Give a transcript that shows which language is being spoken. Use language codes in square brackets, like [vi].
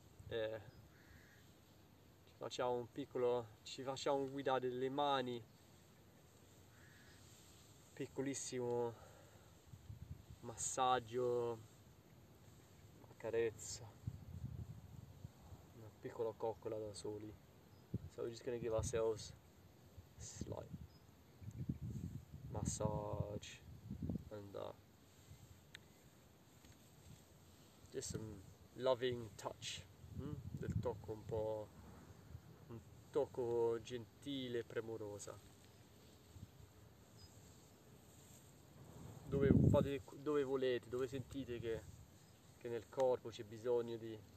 [it] Ci facciamo guidare le mani, piccolissimo massaggio, una carezza. Piccola coccola da soli. [en] So we're just gonna give ourselves a slight massage and just some loving touch. [it] Del tocco un po', un tocco gentile e premurosa. Dove volete, dove sentite che nel corpo c'è bisogno di